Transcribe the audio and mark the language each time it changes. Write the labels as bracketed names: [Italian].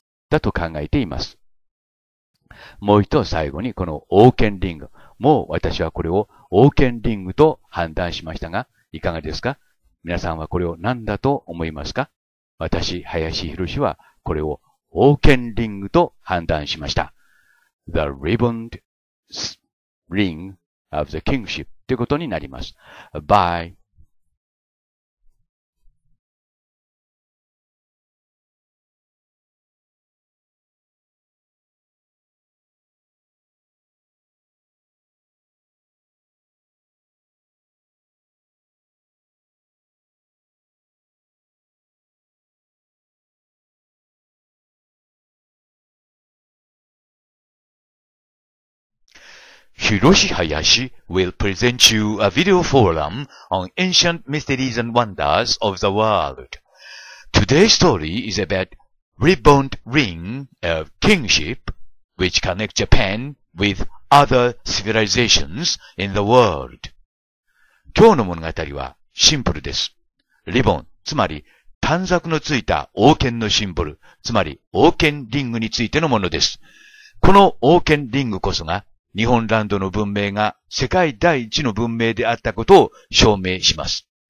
[Japanese] だと考えています。もう一度最後にこの王権リング。もう私はこれを王権リングと判断しましたが、いかがですか？皆さんはこれを何だと思いますか？私、林浩司はこれを王権リングと判断しました。 [English] The ribboned ring of the kingship [Japanese] ということになります。 [English] By Hiroshi Hayashi will present you a video forum on ancient mysteries and wonders of the world. Today's story is about ribboned ring of kingship, which connects Japan with other civilizations in the world. [Japanese] 今日の物語はシンプルです。リボン、つまり短冊のついた王権のシンボル、つまり王権リングについてのものです。この王権リングこそが日本ランドの文明が世界第一の文明であったことを証明します。